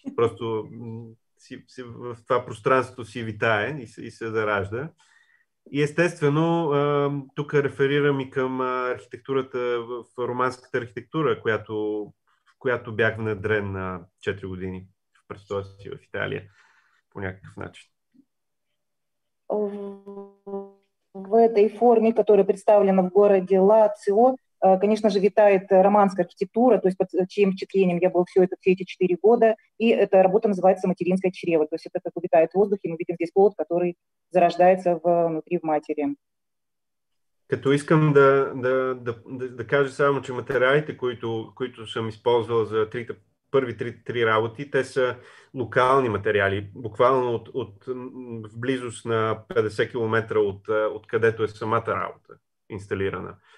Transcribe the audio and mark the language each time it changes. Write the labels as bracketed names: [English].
[Bulgarian] Просто в това пространство си витае и се заражда. И естествено, тук реферирам и към архитектурата в романската архитектура, в която бях внедрен на 4 години в престоя си в Италия по някакъв начин. [Russian] В этой форме, которая представлена в городе Лацио, конечно же, витает романская архитектура, то есть под чьим впечатлением я был все эти 4 года, и эта работа называется «Материнское чрево». То есть это как витает в воздухе, мы видим здесь плод, который зарождается внутри в матери. [Bulgarian] Като искам да кажа само, че материалите, които съм използвал за първи три работи, те са локални материали, буквално от в близост на 50 км от където е самата работа инсталирана.